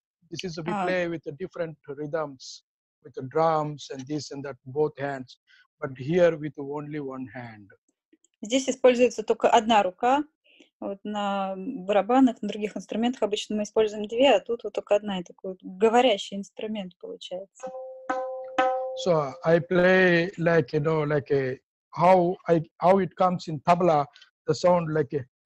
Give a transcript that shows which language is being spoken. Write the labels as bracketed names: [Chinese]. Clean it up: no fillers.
[English] This is we play with different rhythms, with the drums and this and that, both hands. But here with only one hand. [Russian] Здесь используется только одна рука. Вот на барабанах, на других инструментах обычно мы используем две, а тут вот только одна, и такой говорящий инструмент получается. [English] So I play like, you know, like how it comes in tabla, the sound like a...